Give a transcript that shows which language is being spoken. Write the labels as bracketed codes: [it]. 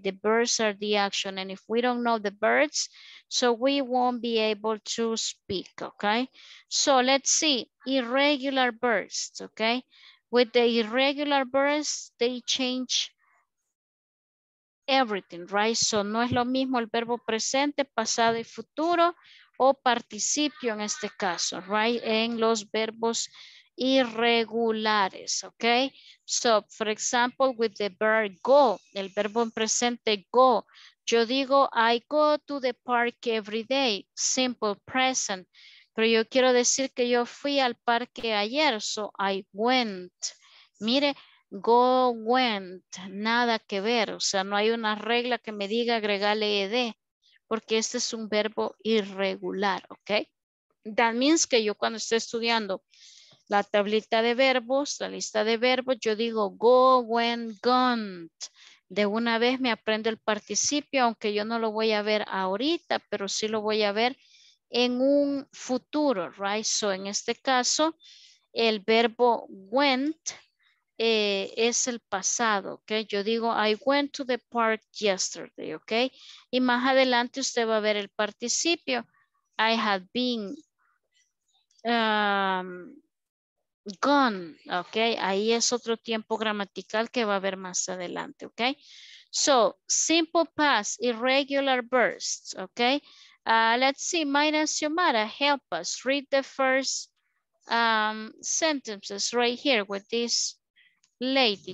[en] The verbs are the action, and if we don't know the verbs, so we won't be able to speak. Okay, so let's see irregular verbs. Okay, with the irregular verbs, they change everything, right? [es] So no es lo mismo el verbo presente, pasado y futuro, o participio en este caso, right? En los verbos irregulares, okay? [en] So, for example, with the verb go, [es] el verbo en presente [en] go. [es] Yo digo, [en] I go to the park every day, simple present. [es] Pero yo quiero decir que yo fui al parque ayer, [en] so I went. [es] Mire, go, went, nada que ver. O sea, no hay una regla que me diga agregarle ed, porque este es un verbo irregular, ¿ok? [en] That means [es] que yo cuando estoy estudiando la tablita de verbos, la lista de verbos, yo digo go, went, gone. De una vez me aprendo el participio, aunque yo no lo voy a ver ahorita, pero sí lo voy a ver en un futuro, right? So en este caso, el verbo went es el pasado, ¿ok? Yo digo, [en] I went to the park yesterday, ¿ok? [es] Y más adelante usted va a ver el participio. [en] I had been gone, [es] ¿ok? Ahí es otro tiempo gramatical que va a ver más adelante, ¿ok? [en] So, simple past, irregular bursts, ¿ok? Let's see, Mayra Xiomara, help us read the first sentences right here with this lady.